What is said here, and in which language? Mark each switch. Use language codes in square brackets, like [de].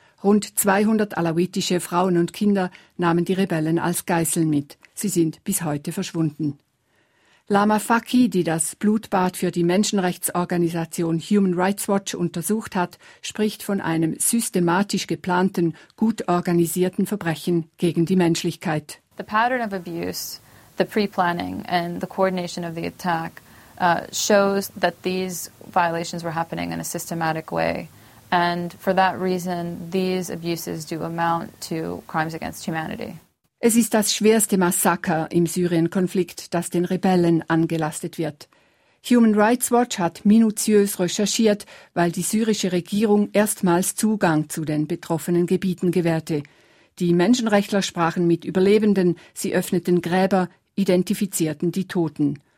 [de] Rund 200 alawitische Frauen und Kinder nahmen die Rebellen als Geiseln mit. Sie sind bis heute verschwunden. Lama Faki, die das Blutbad für die Menschenrechtsorganisation Human Rights Watch untersucht hat, spricht von einem systematisch geplanten, gut organisierten Verbrechen gegen die Menschlichkeit. [en] The pattern of abuse, the pre-planning and the coordination of the attack shows that these violations were happening in a systematic way. And for that reason, these abuses do amount to crimes against humanity. [de] Es ist das schwerste Massaker im Syrien-Konflikt, das den Rebellen angelastet wird. Human Rights Watch hat minutiös recherchiert, weil die syrische Regierung erstmals Zugang zu den betroffenen Gebieten gewährte. Die Menschenrechtler sprachen mit Überlebenden, sie öffneten Gräber, identifizierten die Toten.